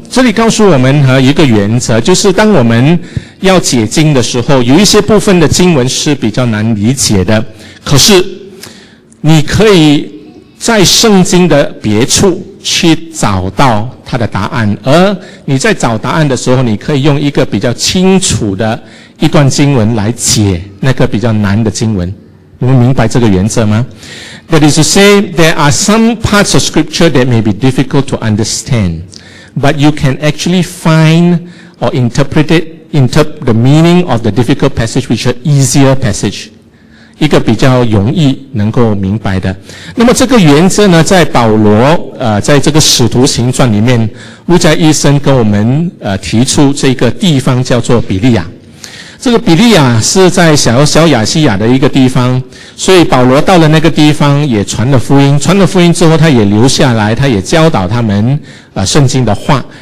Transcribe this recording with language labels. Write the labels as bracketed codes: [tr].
[zh] 这里告诉我们和一个原则，就是当我们要解经的时候，有一些部分的经文是比较难理解的，可是你可以在圣经的别处去找到它的答案，而你在找答案的时候，你可以用一个比较清楚的一段经文来解那个比较难的经文。你们明白这个原则吗？ [en] That is to say, there are some parts of scripture that may be difficult to understand, but you can actually find or interpret the meaning of the difficult passage which are easier passage, [zh] 一个比较容易能够明白的。那么这个原则呢，在保罗在这个使徒行传里面，路加医生跟我们提出这个地方叫做比利亚。这个比利亚是在小亚细亚的一个地方，所以保罗到了那个地方也传了福音，传了福音之后他也留下来，他也教导他们圣经的话。